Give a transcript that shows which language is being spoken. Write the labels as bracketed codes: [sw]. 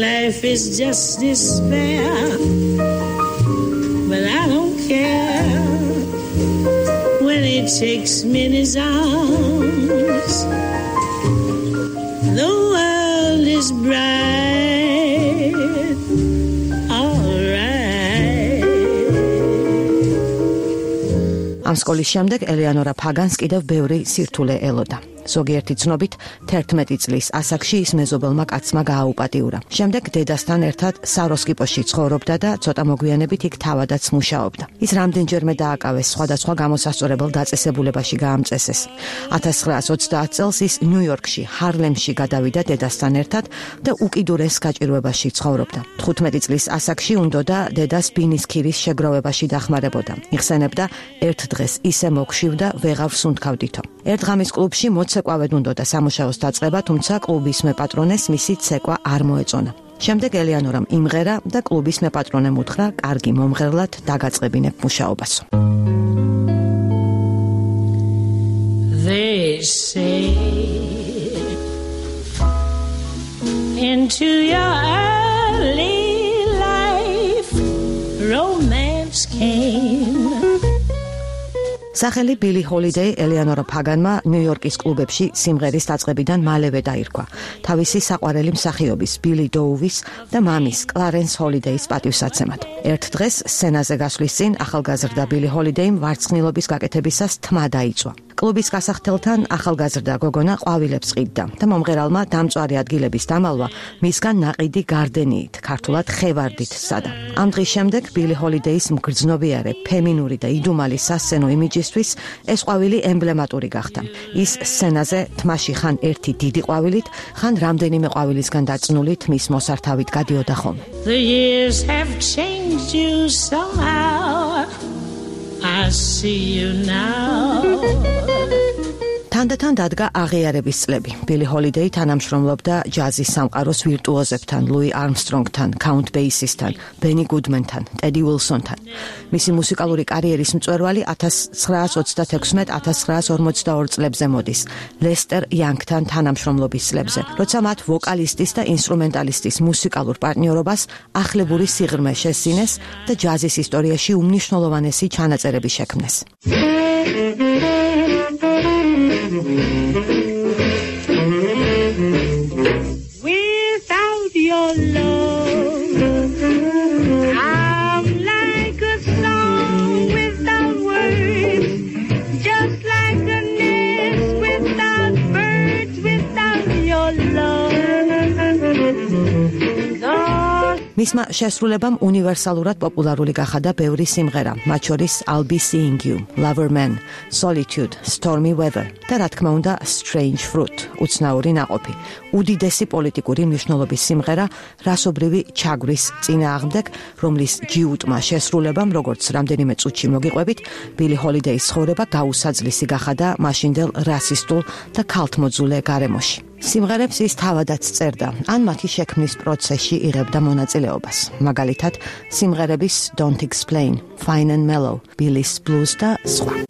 [en] Life is just despair, but I don't care when he takes me in his arms. The world is bright, all right. [ka] ამ სკოლის შემდეგ ელეანორა ფაგანს კიდევ ბევრი სირთულე ელოდა. ზოგიერთი ცნობით 11 წლის ასაკში ის მეზობელმა კაცმა გააუპატიურა. შემდეგ დედასთან ერთად საროსკიპოში ცხოვრობდა და ცოტა მოგვიანებით იქ თავადაც მუშაობდა. ის რამდენჯერმე დააკავეს სხვადასხვა გამოსასწორებელ დაწესებულებაში გაამწესეს. 1920 წელს ის ნიუ-იორკში, ჰარლემში გადავიდა დედასთან ერთად და უკიდურეს გაჭირვებაში ცხოვრობდა. 15 წლის ასაკში უნდოდა დედას ბინისქირის შეგროვებაში დახმარებოდა. იხსენებდა, ერთ დღეს ისე მოკშივდა, ვეღარ სუნთქავდითო. ერთ ღამის კლუბში მოცეკვავედ უნდოდა სამუშაოს დაწყება, თუმცა კლუბის მეპატრონეს მისი ცეკვა არ მოეწონა. შემდეგ ელეანორამ იმღერა და კლუბის მეპატრონემ უთხრა, კარგი, მომღერლად დაგაწყებინებ მუშაობასო. [en] They say into your early life romance came. [ka] სახელი ბილი ჰოლიდეი ელეანორა ფაგანმა ნიუ-იორკის კლუბებში სიმღერის დაწყებიდან მალევე დაირქვა. თავისი საყვარელი მსახიობის ბილი დოუვის და მამის კლარენს ჰოლიდეის პატივსაცემად. ერთ დღეს სცენაზე გასვლის წინ ახალგაზრდა ბილი ჰოლიდეიმ ვარცხნილობის გაკეთებისას თმა დაიწვა. კლუბის გასახლთელთან ახალგაზრდა გოგონა ყვავილებს ყიდდა და მომღერალმა დამწვარი ადგილების დამალვა მისგან ნაყიდი გარდენიით, ქართულად ხევარდით სადა. ამ დღის შემდეგ ბილი ჰოლიდეის მგრძნობიარე, ფემინური და იდუმალი სასცენო იმიჯისთვის ეს ყვავილი ემბლემატური გახდა. ის სცენაზე თმაში ხან ერთი დიდი ყვავილით, ხან რამდენიმე ყვავილისგან დაწნული თმის მოსართავით გადიოდა ხოლმე. [en] The years have changed you somehow. I see you now. [ka] თანდათან დადგა აღიარების წლები. ბილი ჰოლიდეი თანამშრომლობდა ჯაზის სამყაროს ვირტუოზებთან, ლუი არმსტრონგთან, კაუნტ ბეისისთან, ბენი გუდმენთან, ტედი უილსონთან. მისი მუსიკალური კარიერის მწვერვალი 1926-1942 წლებზე მოდის, ლესტერ იანგთან თანამშრომლობის წლებზე, როცა მათ ვოკალისტის და ინსტრუმენტალისტის მუსიკალურ პარტნიორობას ახლებური სიღრმე შესინეს და ჯაზის ისტორიაში უმნიშვნელოვანესი ჩანაწერები შექმნეს. [en] Without your love, I'm like a song without words, just like a nest without birds, without your love. [ka] მისმა შესრულებამ უნივერსალურად პოპულარული გახადა ბევრი სიმღერა, მათ შორის I'll Be Seeing You, Loverman, Solitude, Stormy Weather და რა თქმა უნდა Strange Fruit, უცნაური ნაყოფი, უდიდესი პოლიტიკური მნიშვნელობის სიმღერა რასობრივი ჩაგვრის წინააღმდეგ, რომლის ჯიუტმა შესრულებამ, როგორც რამდენიმე წუთში მოგიყვებით, ბილი ჰოლიდეის ცხოვრება გაუსაძლისი გახადა მაშინდელ რასისტულ და ქალთმოძულე გარემოში. სიმღერებს ის თავადაც წერდა, ან მათი შექმნის პროცესში იღებდა მონაწილეობას. მაგალითად, სიმღერების Don't Explain, Fine and Mellow, Billy's Blues და სხვა.